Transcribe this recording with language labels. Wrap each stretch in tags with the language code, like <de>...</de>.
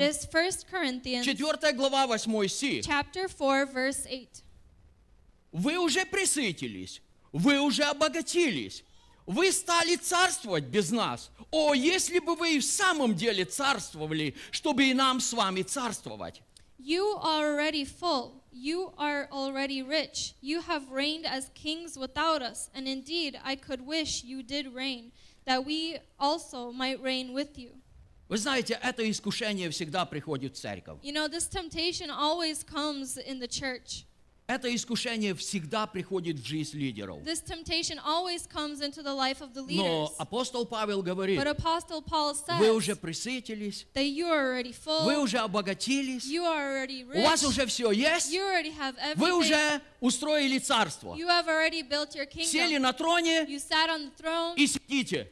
<ru>4 глава, 8 стих. Вы уже присытились, вы уже обогатились, вы стали царствовать без нас. О, если бы вы и в самом деле царствовали, чтобы и нам с вами царствовать.</ru> <en>You are already full, you are already rich, you have reigned as kings without us, and indeed I could wish you did reign, that we also might reign with you.</en> <ru>Вы знаете, это искушение всегда приходит в церковь.</ru> <en>You know, this temptation always comes in the church.</en> <ru>Это искушение всегда приходит в жизнь лидеров.</ru> <en>This temptation always comes into the life of the leaders.</en> <ru>Но апостол Павел говорит,</ru> <en>But Apostle Paul says,</en> <ru>вы уже присытились,</ru> <en>that you are already full,</en> <ru>вы уже обогатились,</ru> <en>you are already rich,</en> <ru>у вас уже все есть,</ru> <en>you already have everything,</en> <ru>вы уже устроили царство,</ru> <en>you have already built your kingdom,</en> <ru>сели на троне,</ru> <en>you sat on the throne,</en> <ru>и сидите,</ru>